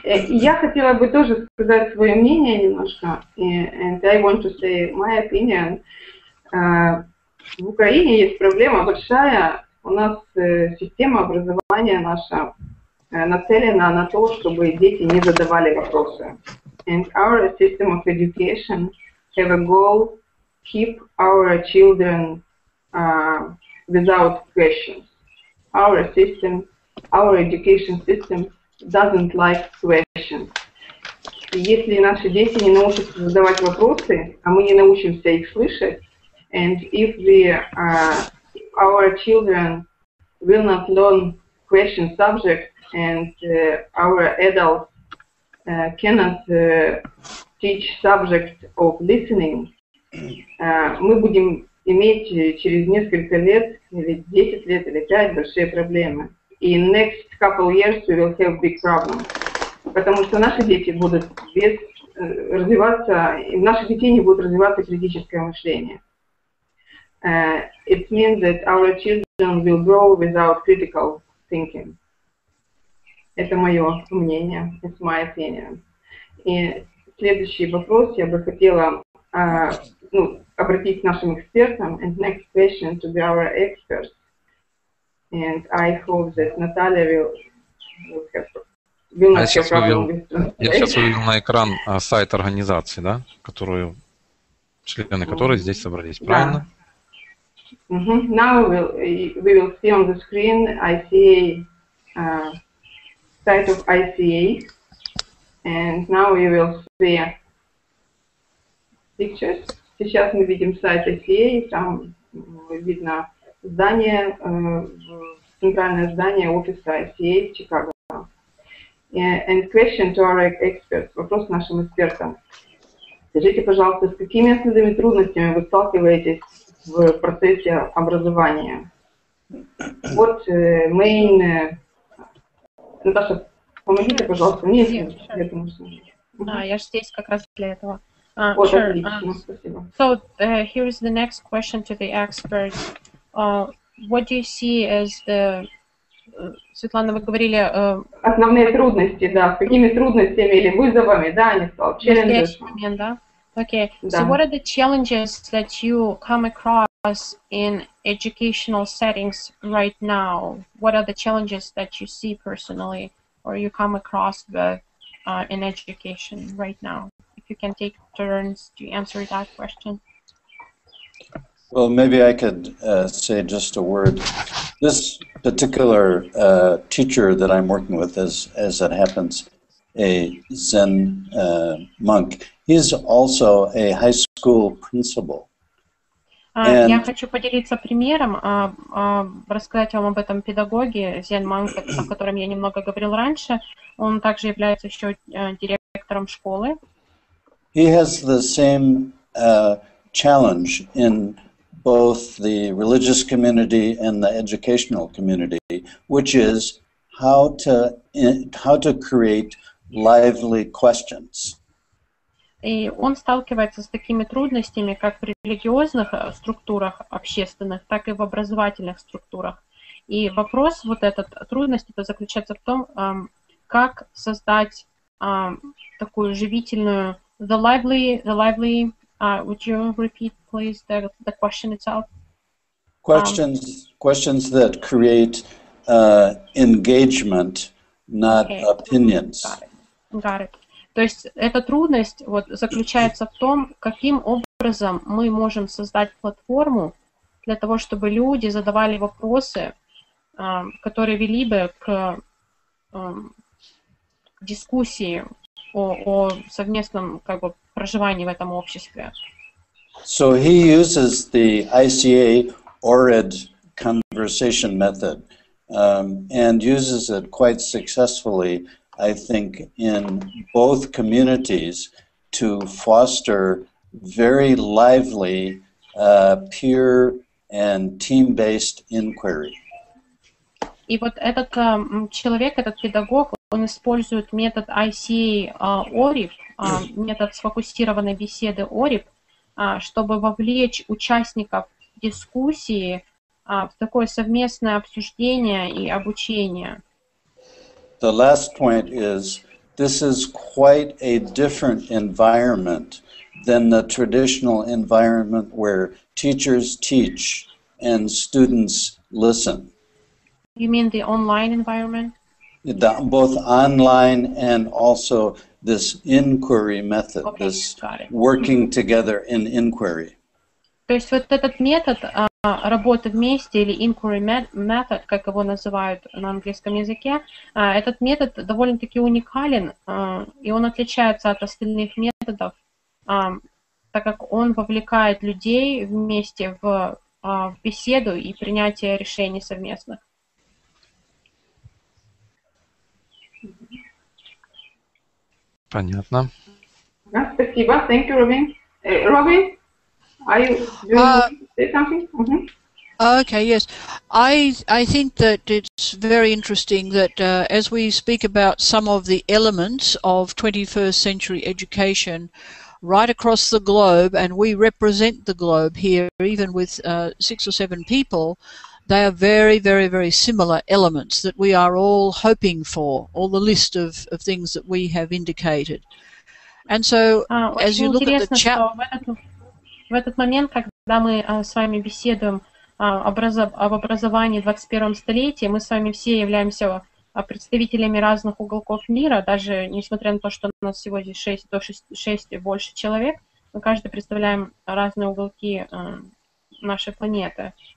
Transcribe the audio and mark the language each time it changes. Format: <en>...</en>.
<ru>Я хотела бы тоже сказать свое мнение немножко.</ru> <en>And I want to say my opinion.</en> <ru>В Украине есть проблема большая. У нас система образования наша нацелена на то, чтобы дети не задавали вопросы.</ru> <en>And our system of education have a goal keep our children without questions. Our system, our education system doesn't like questions.</en> <ru>Если наши дети не научатся задавать вопросы, а мы не научимся их слышать,</ru> <en>and if the our children will not learn question subject, and our adults cannot teach subject of listening,</en> <ru>мы будем иметь через несколько лет, или 10 лет, или 5, большие проблемы.</ru> <en>In next couple years we will have big problems.</en> <ru>Потому что наши дети будут без развиваться, и наши дети не будут развиваться критическое мышление.</ru> <en>It means that our children will grow without critical thinking.</en> <ru>Это мое мнение,</ru> <en>it's my opinion.</en> <ru>И следующий вопрос я бы хотела обратить к нашим экспертам.</ru> <en>And next question to be our experts. And I hope that Natalia will not have problem with translation.</en> <ru>Я сейчас увидел на экран сайт организации, да, которую члены которой здесь собрались, yeah. Правильно? Mm-hmm.</ru> <en>Now we will see on the screen ICA, site of ICA, and now we will see pictures.</en> <ru>Сейчас мы видим сайт ICA, там видно здание. Центральное здание офиса ICA в Чикаго.</ru> <en>And question to our experts.</en> <ru>Вопрос нашим экспертам. Скажите, пожалуйста, с какими основными трудностями вы сталкиваетесь в процессе образования?</ru> <en>What main...</en> <ru>Наташа, помогите, пожалуйста, мне.</ru> <en>Sure.</en> <ru>Я же здесь как раз для этого. Отлично, спасибо.</ru> <en>So, here is the next question to the experts. What do you see as the...</en> <ru>Светлана, вы говорили... Основные трудности, да. С какими трудностями или вызовами, да, они сталкиваются. Да? Okay. Да.</ru> <en>So what are the challenges that you come across in educational settings right now? What are the challenges that you see personally or you come across with, in education right now? If you can take turns to answer that question. Well, maybe I could say just a word. This particular teacher that I'm working with, as it happens, a Zen monk, he's also a high school principal.</en> <ru>Я хочу поделиться примером, рассказать вам об этом педагоге, Zen monk, о котором я немного говорил раньше. Он также является еще директором школы.</ru> <en>He has the same challenge in both the religious community and the educational community, which is how to create lively questions.</en> <ru>И он сталкивается с такими трудностями, как в религиозных структурах общественных, так и в образовательных структурах. И вопрос вот этот, трудность это заключается в том, как создать такую живительную,</ru> <en>the lively, would you repeat, please, the question itself? Questions that create engagement, not okay. Opinions. Got it.</en> <ru>То есть эта трудность вот заключается в том, каким образом мы можем создать платформу для того, чтобы люди задавали вопросы, которые вели бы к дискуссии о совместном как бы проживании в этом обществе.</ru> <en>So he uses the ICA ORED conversation method and uses it quite successfully, I think, in both communities to foster very lively peer and team-based inquiry.</en> <ru>И вот этот человек, этот педагог, он использует метод ICA ORIP, метод сфокусированной беседы ORIP, чтобы вовлечь участников дискуссии в такое совместное обсуждение и обучение.</ru> <en>The last point is, this is quite a different environment than the traditional environment where teachers teach and students listen. You mean the online environment? Both online and also this inquiry method, okay, this working together in inquiry.</en> <ru>То есть вот этот метод работы вместе, или inquiry method, как его называют на английском языке, этот метод довольно-таки уникален, и он отличается от остальных методов, так как он вовлекает людей вместе в беседу и принятие решений совместных. Понятно. Спасибо.</ru> <en>Thank you, Robin. Robin? Do you want to say something? Mm-hmm. Okay, yes. I think that it's very interesting that as we speak about some of the elements of 21st century education right across the globe, and we represent the globe here, even with six or seven people, they are very, very, very similar elements that we are all hoping for, all the list of things that we have indicated. And so as you look at the chat...</en> <ru>В этот момент, когда мы с вами беседуем об образовании в 21-м столетии, мы с вами все являемся представителями разных уголков мира, даже несмотря на то, что у нас всего здесь 6, то 6 и больше человек, мы каждый представляем разные уголки нашей планеты.</ru>